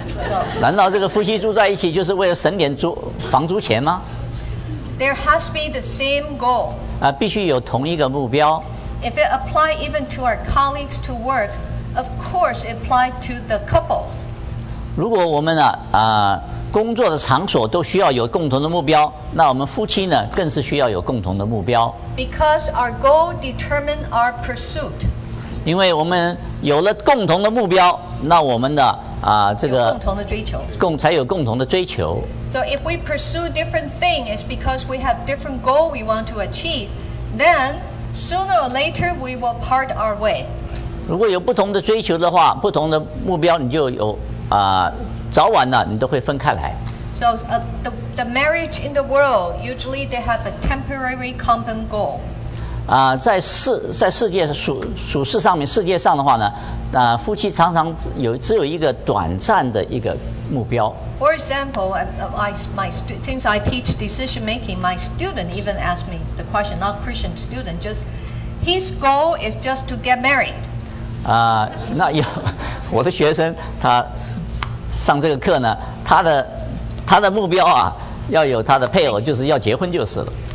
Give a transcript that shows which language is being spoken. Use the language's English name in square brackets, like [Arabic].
[Chinese] So, 难道这个夫妻住在一起就是为了省点房租钱吗？ [English] There has to be the same goal. [Chinese] 必须有同一个目标。 [English] If it apply even to our colleagues to work, of course it apply to the couples. [Chinese] 如果我们工作的场所都需要有共同的目标，那我们夫妻呢，更是需要有共同的目标。 [English] Because our goal determine our pursuit. [Chinese] 因为我们有了共同的目标，那我们的这个共同的追求，才有共同的追求。 [English] So if we pursue different thing, it's because we have different goal we want to achieve. Then sooner or later we will part our way. [Chinese] 如果有不同的追求的话，不同的目标，你就有早晚呢，你都会分开来。 [English] So the marriage in the world usually they have a temporary common goal. [Chinese] 在世界属世上面世界上的话呢，夫妻常常只有一个短暂的一个目标。 [English] For example, since I teach decision making, my student even asked me the question. Not Christian student, just his goal is just to get married. [Chinese] 那有我的学生他。上这个课呢，他的目标啊，要有他的配偶，就是要结婚就是了。